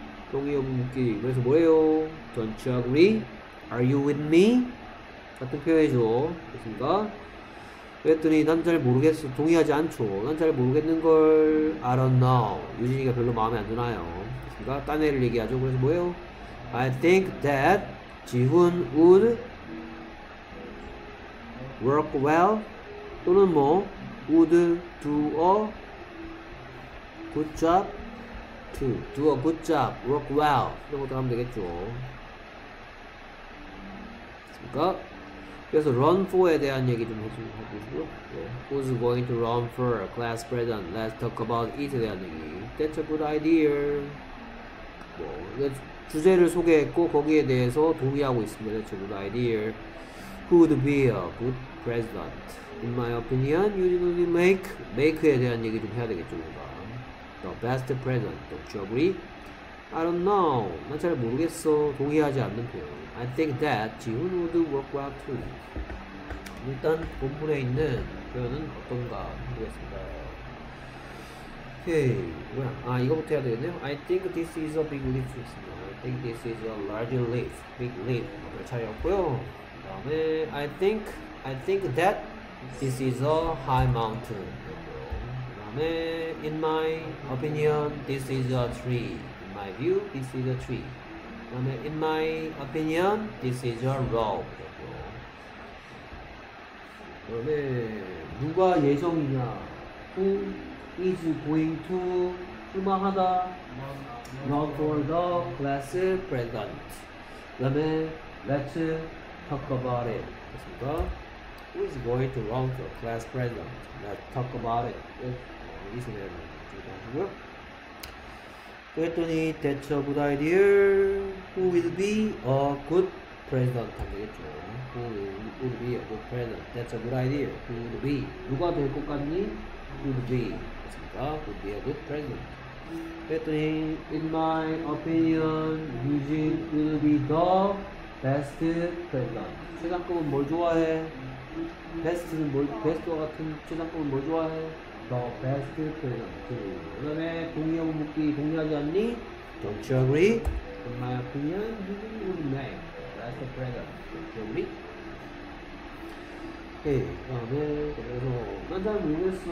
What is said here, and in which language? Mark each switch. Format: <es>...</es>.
<ko>동의 여부 묻기. 그래서 뭐예요?</ko> <en>Don't you agree? Are you with me?</en> <ko>같은 표현이죠. 됐습니까? 그랬더니 난 잘 모르겠어. 동의하지 않죠. 난 잘 모르겠는 걸</ko> <en>I don't know.</en> <ko>유진이가 별로 마음에 안 드나요. 그러니까 딴 애를 얘기하죠. 그래서 뭐예요?</ko> <en>I think that 지훈 would work well</en> <ko>또는 뭐</ko> <en>would do a good job to do a good job work well</en> <ko>이런 것도 하면 되겠죠. 그러니까 그래서 run for에 대한 얘기 좀 해주시고요.</ko> <en>Who's going to run for class president? Let's talk about it에 대한 얘기. That's a good idea.</en> <ko>뭐, 주제를 소개했고 거기에 대해서 동의하고 있습니다.</ko> <en>That's a good idea. Who'd be a good president? In my opinion, you need to make. Make</en> <ko>에 대한 얘기 좀 해야 되겠죠.</ko> <en>뭔가. The best president. Don't you agree? I don't know.</en> <ko>난 잘 모르겠어. 동의하지 않는 표현.</ko> <en>I think that 지훈 would work well too.</en> <ko>일단 본문에 있는 표현은 어떤가 보겠습니다.</ko> <en>Okay,</en> <ko>뭐야? 아 이거부터 해야 되겠네요.</ko> <en>I think this is a big leap. I think this is a large leap, big leap.</en> <ko>별 차이 없고요.</ko> <en>다음에 I think that this is a high mountain. 다음에 in my opinion, this is a tree. In my view, this is a tree. 그 다음에 in my opinion, this is a rope.</en> <ko>그 다음에 누가 예정이냐?</ko> <en>Who is going to 출마하다? Run for the class president. 그 다음에 let's talk about it.</en> <ko>됐습니까?</ko> <en>Who is going to run for class president? Let's talk about it.</en> <ko>이 소리를 들어보시고요.</ko> <en>그랬더니 that's a good idea. Who will be a good president?</en> <ko>되겠죠.</ko> <en>Who will be a good president? That's a good idea. Who will be?</en> <ko>누가 될 것 같니?</ko> <en>Who will be?</en> <ko>맞습니까?</ko> <en>Who will be a good president? 그랬더니 in my opinion, Eugene will be the best president.</en> <ko>최상급은 뭘 좋아해? Best는 뭘? Best와 같은 최상급은 뭘 좋아해?</ko> <en>The best president.</en> <ko>그 다음에 동의하고 묻기 동의하지 않니?</ko> <en>Don't you agree? In my opinion, you will be the best president. Don't you agree?</en> <ko>그 다음에 그래서 난 잘 모르겠어.</ko>